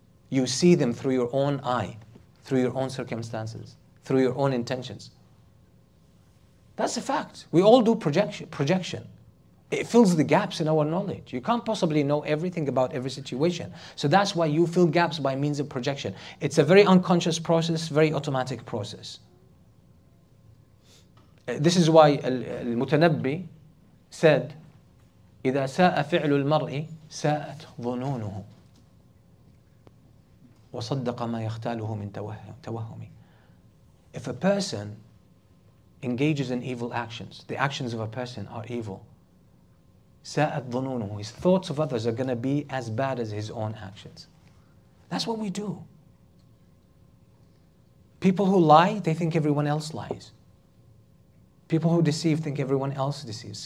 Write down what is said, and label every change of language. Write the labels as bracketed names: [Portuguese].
[English] You see them through your own eye, through your own circumstances, through your own intentions. That's a fact. We all do projection. It fills the gaps in our knowledge. You can't possibly know everything about every situation. So that's why you fill gaps by means of projection. It's a very unconscious process, very automatic process. This is why Al-Mutanabbi said, [Arabic] إِذَا سَاءَ فِعْلُ الْمَرْءِ سَاءَتْ ظُنُونُهُ وَصَدَّقَ مَا يَخْتَالُهُ مِنْ تَوَهُمِ. [English] If a person engages in evil actions, the actions of a person are evil, [Arabic] سَاءَتْ ظُنُونُهُ, [English] his thoughts of others are going to be as bad as his own actions. That's what we do. People who lie, they think everyone else lies. People who deceive think everyone else deceives.